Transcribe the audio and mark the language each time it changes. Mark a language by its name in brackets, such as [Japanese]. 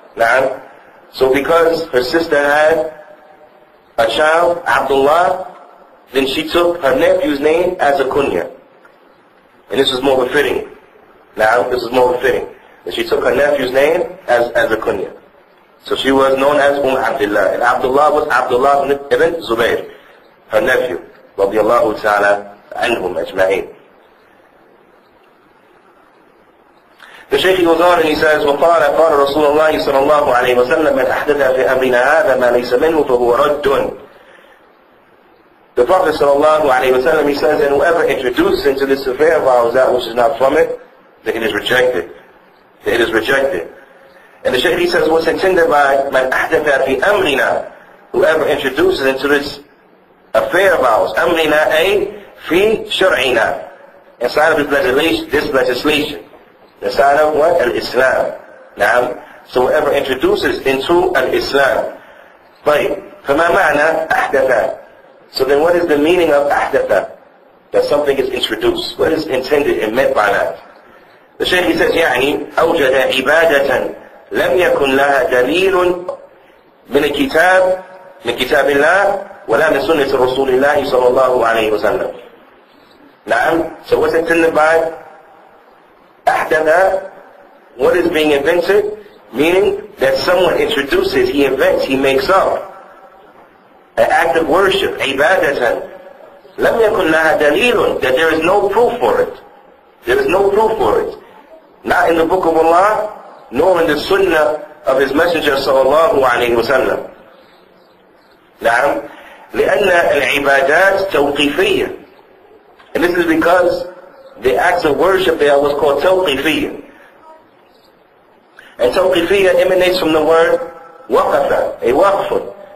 [English] Now, so because her sister had a child, Abdullah, then she took her nephew's name as a kunya. And this is more befitting. Now, this is more befitting. And she took her nephew's name as a kunya. So she was known as Abdullah. And Abdullah was Abdullah ibn Zubayr, her nephew. [Arabic] رضي الله تعالى عنهم أجمعين. [English] The Shaykh goes on and he says, [Arabic] وقال قال رسول الله صلى الله عليه وسلم من أحدث في أمرنا هذا ما ليس منه فهو رد. [English] The Prophet [Arabic] صلى الله عليه وسلم, [English] he says, and whoever introduces into this affair of ours that which is not from it, then it is rejected. Then it is rejected. And the Shaykh, he says, what's intended by [Arabic] من أحدث في أمرنا, [English] whoever introduces into this affair of ours, [Arabic] أمرنا أي في شرعنا, [English] inside of this legislation, inside of what? Al-Islam. نعم. So whoever introduces into Al-Islam. طيب. [Arabic] فما معنى أحدث. [English] So then what is the meaning of أحدث? That something is introduced. What is intended and meant by that? The Shaykh, he says, [Arabic] يعني أوجد عبادة لم يكن لها دليل من الكتاب من كتاب الله ولا من سنة رسول الله صلى الله عليه وسلم. [English] نعم. So what's intended by أحدث? What is being invented? Meaning that someone introduces, he invents, he makes up an act of worship, عبادة. [Arabic] لم يكن لها دليل, [English] that there is no proof for it. There is no proof for it. Not in the Book of Allah, nor in the Sunnah of His Messenger [Arabic] صلى الله عليه وسلم. [English] نعم. [Arabic] لأن العبادات توقيفية. [English] And this is because the acts of worship there was called توقيفية. And توقيفية emanates from the word وقفة, a وقف.